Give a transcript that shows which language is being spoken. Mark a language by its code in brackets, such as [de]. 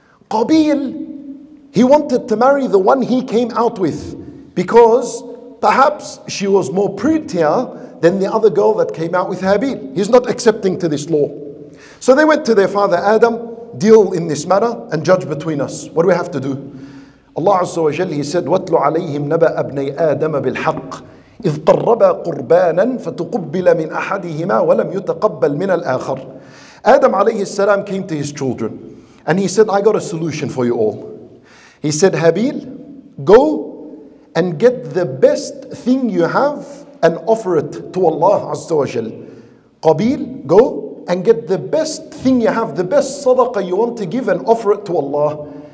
[en] Qabil, he wanted to marry the one he came out with because perhaps she was more prettier than the other girl that came out with Habil. He's not accepting to this law. So they went to their father Adam, deal in this matter and judge between us. What do we have to do? Allah Azza wa Jalla, he said, [ar] وَاتْلُ عَلَيْهِمْ نَبَأَ أَبْنَيْ آدَمَ بِالْحَقِّ إِذْ قَرَّبَا قُرْبَانًا فَتُقُبِّلَ مِنْ أَحَدِهِمَا وَلَمْ يُتَقَبَّلْ مِنَ الْآخَرِ. [en] Adam alayhi salam came to his children and he said, I got a solution for you all. He said, Habil, go and get the best thing you have and offer it to Allah Azza wa Jal. Qabil, go and get the best thing you have, the best sadaqah you want to give and offer it to Allah.